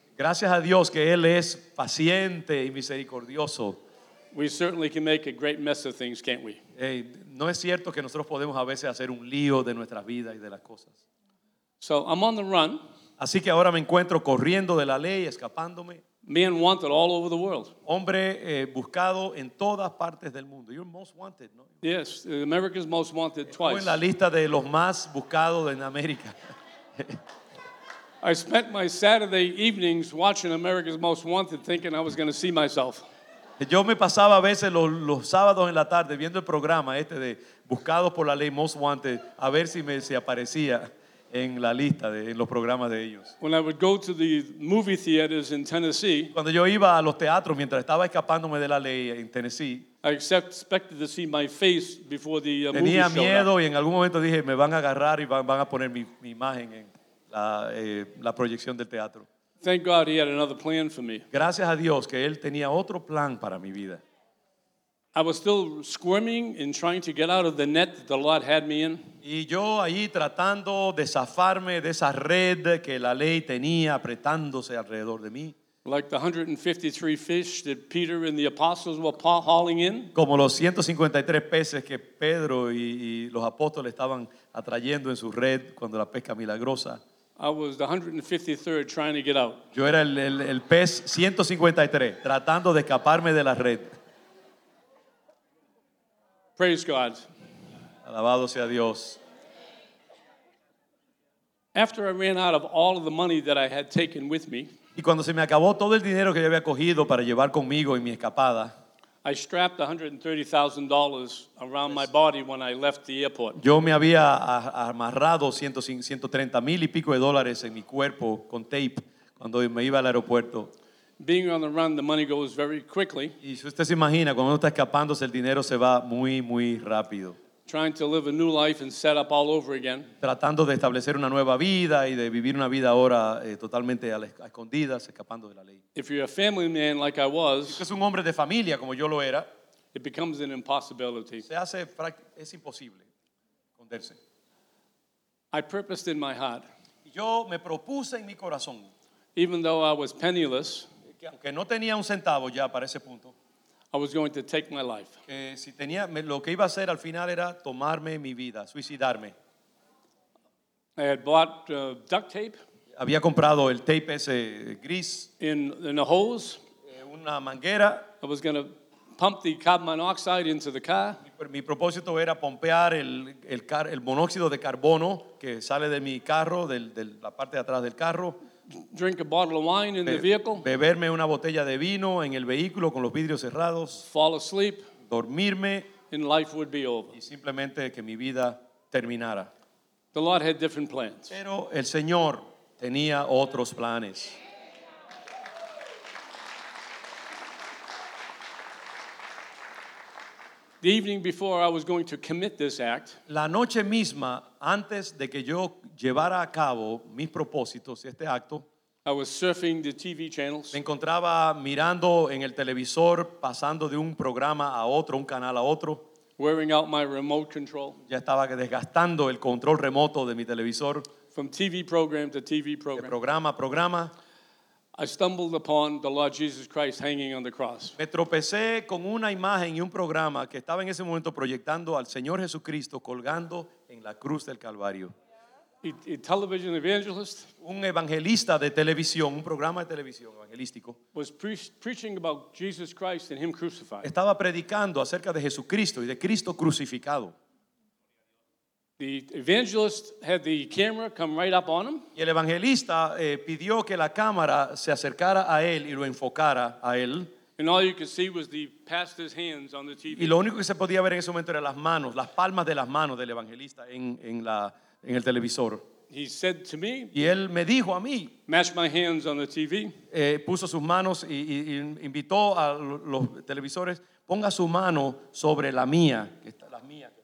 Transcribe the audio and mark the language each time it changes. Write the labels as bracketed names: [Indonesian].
[Spanish] Gracias a Dios que Él es paciente y misericordioso. [English] We certainly can make a great mess of things, can't we? [Spanish] Hey, no es cierto que nosotros podemos a veces hacer un lío de nuestra vida y de las cosas. [English] So I'm on the run. [Spanish] Así que ahora me encuentro corriendo de la ley, escapándome. [English] Man wanted all over the world. [Spanish] Hombre buscado en todas partes del mundo. [English] You're most wanted, no? Yes, America's most wanted twice. [Spanish] Estoy en la lista de los más buscados en América. [English] I spent my Saturday evenings watching America's Most Wanted, thinking I was going to see myself. [Spanish] Yo me pasaba a veces los sábados en la tarde viendo el programa este de Buscados por la Ley Most Wanted, a ver si aparecía en la lista en los programas de ellos. [English] When I would go to the movie theaters in Tennessee, [Spanish] cuando yo iba a los teatros mientras estaba escapándome de la ley en Tennessee, [English] I expected to see my face before the movie showed [Spanish] Tenía miedo y en algún momento dije, me van a agarrar y van a poner mi imagen en la proyección del teatro. [English] Thank God he had another plan for me. [Spanish] Gracias a Dios que él tenía otro plan para mi vida. [English] I was still squirming and trying to get out of the net that the Lord had me in. [Spanish] Y yo allí tratando de zafarme de esa red que la ley tenía apretándose alrededor de mí. [English] Like the 153 fish that Peter and the apostles were hauling in. [Spanish] Como los 153 peces que Pedro y los apóstoles estaban atrayendo en su red cuando la pesca milagrosa. [English] I was the 153rd trying to get out. [Spanish] Yo era el pez 153 tratando de escaparme de la red. [English] Praise God. [Spanish] Alabado sea Dios. [English] After I ran out of all of the money that I had taken with me, [Spanish] y cuando se me acabó todo el dinero que yo había cogido para llevar conmigo en mi escapada, [English] I strapped $130,000 around my body when I left the airport. [Spanish] Yo me había amarrado 130 mil y pico de dólares en mi cuerpo con tape cuando me iba al aeropuerto. [English] Being on the run, the money goes very quickly. [Spanish] Y si usted se imagina, cuando uno está escapándose, el dinero se va muy, muy rápido. [English] Trying to live a new life and set up all over again. [Spanish] Tratando de establecer una nueva vida y de vivir una vida ahora totalmente a escondidas, escapando de la ley. [English] If you're a family man like I was, [Spanish] si es un hombre de familia como yo lo era, [English] it becomes an impossibility. [Spanish] Es imposible esconderse. [English] I purposed in my heart. [Spanish] Yo me propuse en mi corazón. [English] Even though I was penniless, [Spanish] que aunque no tenía un centavo ya para ese punto, [English] I was going to take my life. [Spanish] Que si tenía, lo que iba a hacer al final era tomarme mi vida, suicidarme. [English] I had bought duct tape. [Spanish] Había comprado el tape ese gris. [English] In a hose. [Spanish] Una manguera. [English] I was going to pump the carbon monoxide into the car. [Spanish] Mi propósito era pompear el monóxido de carbono que sale de mi carro, de la parte de atrás del carro. [English] Drink a bottle of wine in the vehicle. [Spanish] Beberme una botella de vino en el vehículo con los vidrios cerrados. [English] Fall asleep. [Spanish] Dormirme. [English] And life would be over. [Spanish] Y simplemente que mi vida terminara. [English] The Lord had different plans. [Spanish] Pero el Señor tenía otros planes. [English] The evening before I was going to commit this act, [Spanish] la noche misma antes de que yo llevara a cabo mis propósitos este acto, [English] I was surfing the TV channels. [Spanish] Me encontraba mirando en el televisor, pasando de un programa a otro, un canal a otro. [English] Wearing out my remote control. [Spanish] Ya estaba desgastando el control remoto de mi televisor. [English] From TV program to TV program. [Spanish] De programa a programa. [English] I stumbled upon the Lord Jesus Christ hanging on the cross. [Spanish] Me tropecé con una imagen y un programa que estaba en ese momento proyectando al Señor Jesucristo colgando en la cruz del Calvario. [English] A television evangelist. [Spanish] Un evangelista de televisión, un programa de televisión evangelístico. [English] Was preaching about Jesus Christ and Him crucified. [Spanish] Estaba predicando acerca de Jesucristo y de Cristo crucificado. [English] The evangelist had the camera come right up on him. [Spanish] Y el evangelista pidió que la cámara se acercara a él y lo enfocara a él. [English] And all you could see was the pastor's hands on the TV. [Spanish] Y lo único que se podía ver en ese momento eran las manos, las palmas de las manos del evangelista en el televisor. [English] He said to me. [Spanish] Y él me dijo a mí. [English] Mash my hands on the TV. [Spanish] Puso sus manos y invitó a los televisores, ponga su mano sobre la mía, que está las mías.